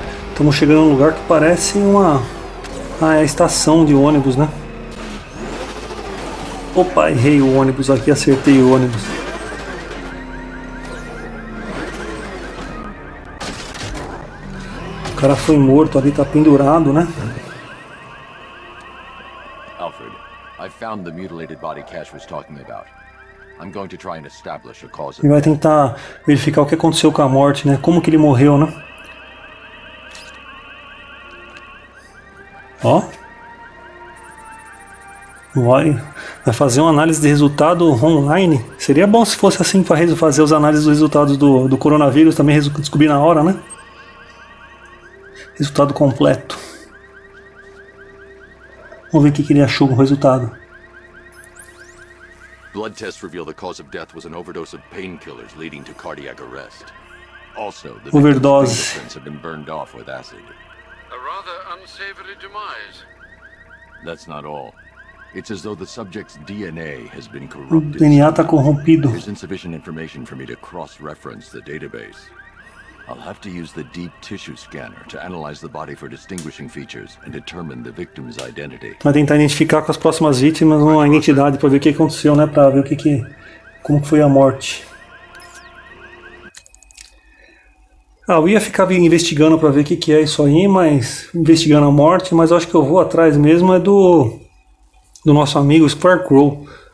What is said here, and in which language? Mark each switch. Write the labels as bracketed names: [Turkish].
[Portuguese] Estamos chegando num lugar que parece a estação de ônibus, né? Opa, errei o ônibus aqui, acertei o ônibus. O cara foi morto ali, tá pendurado, né? [English] Alfred, I found the mutilated body Cash was talking about. I'm going to try and establish a cause. [Portuguese] Ele vai tentar verificar o que aconteceu com a morte, né? Como que ele morreu, né? Ó, vai fazer uma análise de resultado online. Seria bom se fosse assim para fazer as análises dos resultados do coronavírus também, descobrir na hora, né? Resultado completo. Vamos ver o que ele achou com o resultado. [English] Blood tests reveal the cause of death was an overdose of painkillers leading to cardiac arrest. Also, the fingerprints have been burned off with acid. A rather unsavory demise. That's not all. It's as though the subject's DNA has been corrupted. [Portuguese] O DNA tá corrompido. [English] There's insufficient information for me to cross-reference the database. I'll have to use the deep tissue scanner to analyze the body for distinguishing features and determine the victim's identity. [Portuguese] Vai tentar identificar com as próximas vítimas uma identidade para ver o que aconteceu, né? Para ver como foi a morte. Ah, eu ia ficar investigando para ver o que é isso aí, mas investigando a morte, mas eu acho que eu vou atrás mesmo é do nosso amigo Scarecrow.